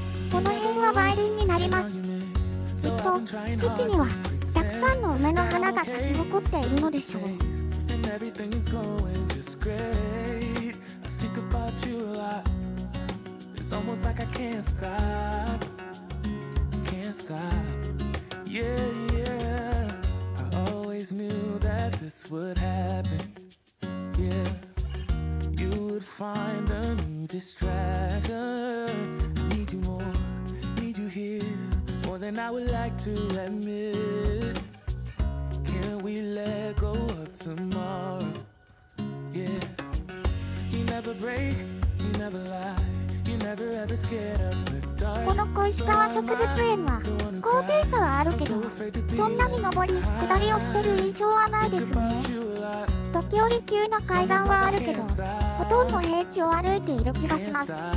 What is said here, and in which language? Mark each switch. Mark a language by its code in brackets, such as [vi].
[ja] この辺は梅林になります。きっと時期にはたくさんの梅の花が咲き誇っているのでしょう。 [en] Everything is going just great. I think about you a lot. It's almost like I can't stop. Can't stop. Yeah, yeah. I always knew that this would happen. Yeah. You would find a new distraction. I need you more. Need you here. More than I would like to admit. We let go of tomorrow. Yeah. You never break, you never lie. You never ever scared of the dark. [ja] この小石川植物園は高低差はあるけど、そんなに上り下りをしてる印象はないですね。時折急な階段はあるけど、ほとんど平地を歩いている気がします。